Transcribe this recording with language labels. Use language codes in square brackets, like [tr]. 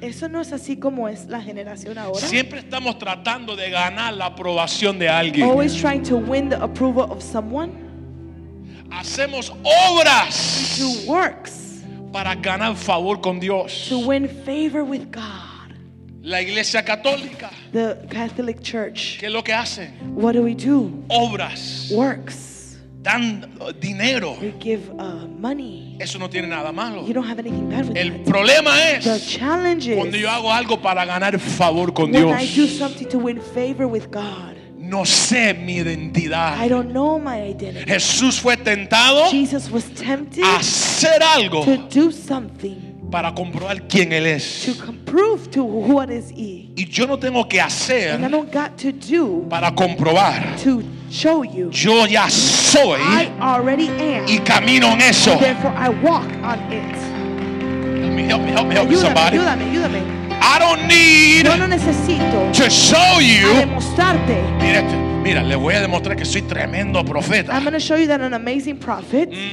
[es] Eso no es así como es la generación ahora. Siempre estamos tratando de ganar la aprobación de alguien. [en] Always trying to win the approval of someone. [es] Hacemos obras, [en] do works, [es] para ganar favor con Dios, [en] to win favor with God. [es] La iglesia católica, [en] the Catholic Church, [es] ¿qué es lo que hacen? [en] What do we do? [es] Obras, [en] works, [es] dan dinero, [en] we give money. [es] Eso no tiene nada malo. [en] You don't have anything bad with [es] el [en] that. [es] Problema es, [en] the challenge is, [es] cuando yo hago algo para ganar favor con [en] when [es] Dios, [en] I do something to win favor with God, [es] no sé mi identidad. [en] I don't know my identity. [es] Jesús fue tentado, [en] Jesus was tempted, [es] a hacer algo, [en] to do something, [es] para comprobar quién él es. [en] To prove to what is he. [es] Y yo no tengo que hacer, [en] and I don't got to do, [es] para comprobar, [en] to show you, [es] yo ya soy, [en] I already am, [es] y camino en eso. [en] And therefore I walk on it. Help me somebody. [es] Ayúdame. [en] I don't need, [es] yo no necesito, [en] to show you, [es] a demostrarte. Mira, le voy a demostrar que soy tremendo profeta. [en] I'm going to show you that I'm an amazing prophet.